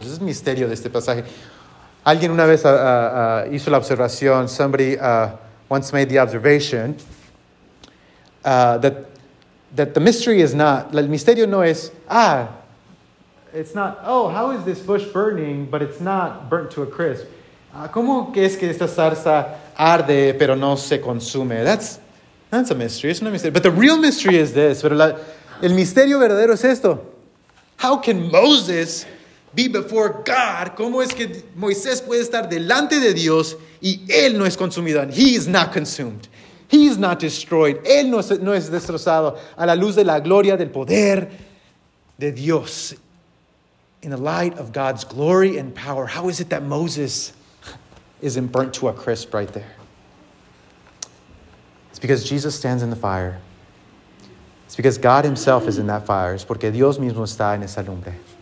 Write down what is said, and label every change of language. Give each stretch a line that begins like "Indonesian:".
English: This is the
Spanish: misterio de este pasaje. Alguien una vez hizo la observación.
English: Somebody once made the observation that the mystery is not,
Spanish: el misterio no es,
English: it's not, how is this bush burning, but it's not burnt to a crisp?
Spanish: ¿Cómo es que esta zarza arde, pero no se consume?
English: That's a mystery. It's not a mystery. But the real mystery is this.
Spanish: Pero el misterio verdadero es esto.
English: How can Moses be before God?
Spanish: ¿Cómo es que Moisés puede estar delante de Dios y él no es consumido?
English: And he is not consumed. He is not destroyed.
Spanish: Él no es destrozado a la luz de la gloria del poder de Dios.
English: In the light of God's glory and power, how is it that Moses isn't burnt to a crisp right there? It's because Jesus stands in the fire. It's because God himself is in that fire.
Spanish: Es porque Dios mismo está en esa lumbre.